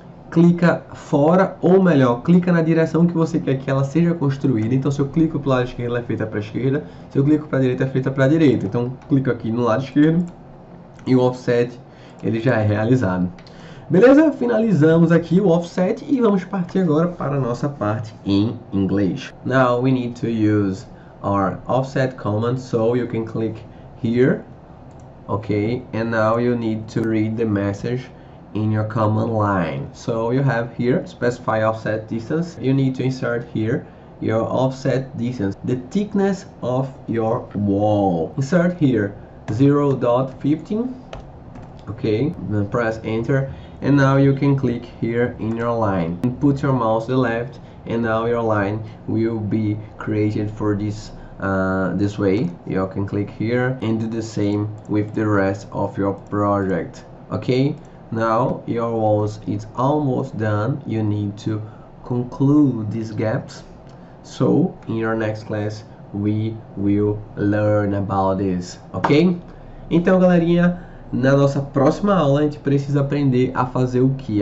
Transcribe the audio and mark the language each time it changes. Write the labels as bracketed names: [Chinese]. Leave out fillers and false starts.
[Portuguese] Clica fora, ou melhor, clica na direção que você quer que ela seja construída. Então, se eu clico para o lado esquerdo, ela é feita para a esquerda. Se eu clico para a direita, é feita para a direita. Então, clico aqui no lado esquerdo e o offset, ele já é realizado. Beleza? Finalizamos aqui o offset e vamos partir agora para a nossa parte em inglês. [English] Now, we need to use our offset command, so you can click here, okay? And now you need to read the message in your command line. So you have here, specify offset distance. You need to insert here your offset distance, the thickness of your wall. Insert here 0.15, okay, then press enter, and now you can click here in your line and put your mouse to the left, and now your line will be created for this way. You can click here and do the same with the rest of your project, okay? Now your walls is almost done. You need to conclude these gaps. So in your next class we will learn about this, ok? [Portuguese] Então galerinha, na nossa próxima aula a gente precisa aprender a fazer o que?